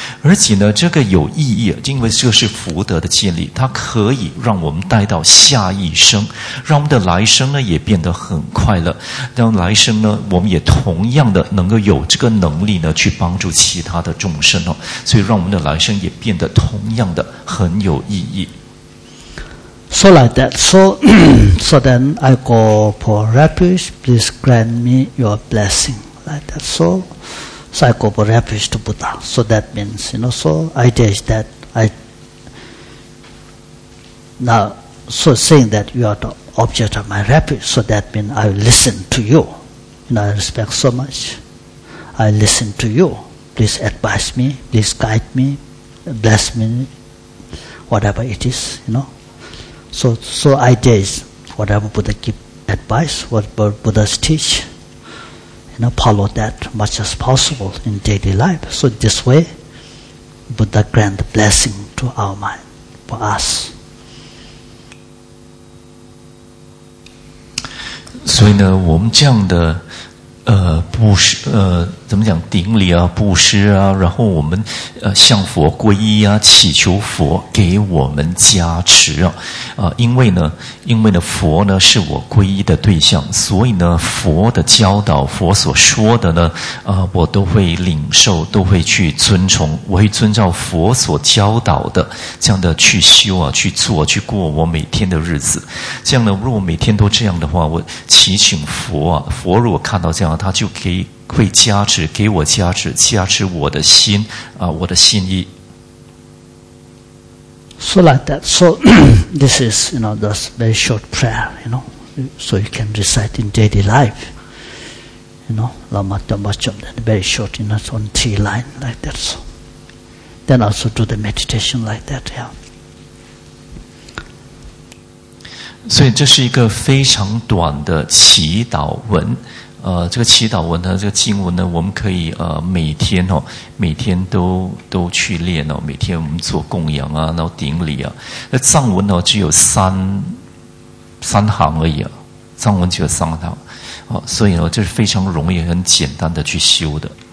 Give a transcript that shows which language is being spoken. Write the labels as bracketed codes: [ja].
[zh] 而且呢，这个有意义，因为这是福德的建立，它可以让我们带到下一生，让我们的来生呢也变得很快乐，让来生呢我们也同样的能够有这个能力呢去帮助其他的众生哦，所以让我们的来生也变得同样的很有意义。 [en] So like that, so so then I go for refuge, please grant me your blessing like that. So so I go for refuge to Buddha. So that means, you know, so idea is that I now so saying that you are the object of my refuge. So that means I listen to you. You know, I respect so much. I listen to you. Please advise me. Please guide me. Bless me. Whatever it is, you know. So idea is whatever Buddha give advice, whatever Buddha's teach, you know, follow that much as possible in daily life. So this way, Buddha grant the blessing to our mind, for us. [zh] 所以呢，我们这样的布施怎么讲顶礼啊，布施啊，然后我们向佛皈依啊，祈求佛给我们加持啊，因为呢佛呢是我皈依的对象，所以呢佛的教导，佛所说的呢我都会领受，都会去遵从，我会遵照佛所教导的这样的去修啊，去做，去过我每天的日子。这样呢，如果每天都这样的话，我祈请佛啊，佛如果看到这样，他就可以会加持，给我加持，加持我的心啊，我的心意。 [en] So like that. So this is, you know, just very short prayer, you know, so you can recite in daily life, you know, Lama Dhammacham, very short, you know, it's on three lines like that. So then also do the meditation like that, yeah. [zh] 所以这是一个非常短的祈祷文，这个祈祷文呢，这个经文呢，我们可以每天哦，每天都去练哦，每天我们做供养啊，然后顶礼啊。那藏文呢，只有三行而已啊，藏文只有三行，所以呢，这是非常容易、很简单的去修的。